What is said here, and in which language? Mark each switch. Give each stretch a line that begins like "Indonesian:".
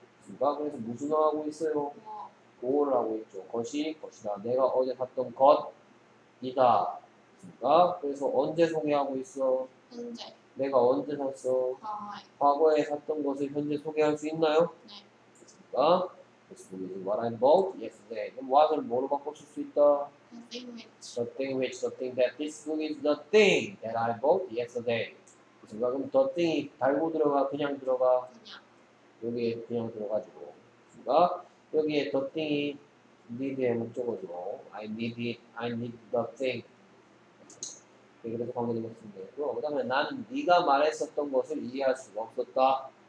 Korean: 누가 그래서 무슨 어 하고 있어요? 뭐를 하고 있죠. 것이다. 내가 어제 샀던 것이다. 그러니까 그래서 언제 소개하고 있어? 현재. 내가 언제 샀어? 과거에 샀던 것을 현재 소개할 수 있나요? 네. 그러니까
English: This book is what I bought yesterday.
Korean: 그럼 what을 뭐로 바꿔줄 수 있다?
English: The thing that this book is the thing that I bought yesterday.
Korean: 그러니까 그럼 the thing이 달고 들어가? 그냥 들어가? 여기에 그냥 들어가지고. 그러니까 여기에
English: the thing이 need의
Korean: 목적어죠.
English: I need it. I need the thing.
Korean: 그래서 관계된 것인데요. 그 다음에 나는 네가 말했었던 것을 이해할 수가 없었다.